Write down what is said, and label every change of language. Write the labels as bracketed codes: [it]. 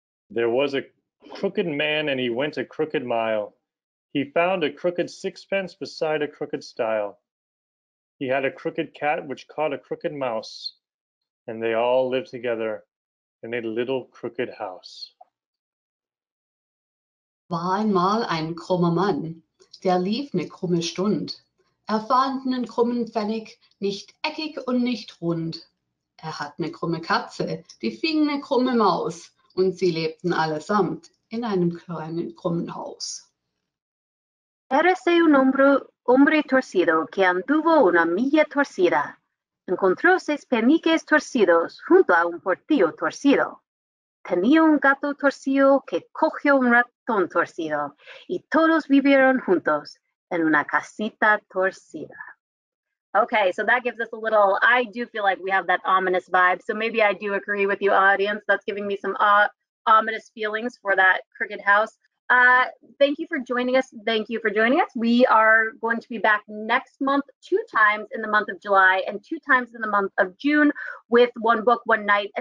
[en] There was a crooked man and he went a crooked mile. He found a crooked sixpence beside a crooked stile. He had a crooked cat which caught a crooked mouse, and they all lived together in a little crooked house. [de] War einmal ein krummer Mann, der lief ne krumme Stund. Fand nen krummen Pfennig, nicht eckig und nicht rund. Hat ne krumme Katze, die fing ne krumme Maus, und sie lebten allesamt in einem kleinen krummen Haus. [es] Érase un hombre torcido que anduvo una milla torcida. Encontró seis peniques torcidos junto a un portillo torcido. Tenía un gato torcido que cogió un ratón torcido. Y todos vivieron juntos en una casita torcida. [en] Okay, so that gives us a little, I do feel like we have that ominous vibe. So maybe I do agree with you, audience. That's giving me some ominous feelings for that crooked house. Thank you for joining us. We are going to be back next month, two times in the month of July and two times in the month of June, with one book, one night.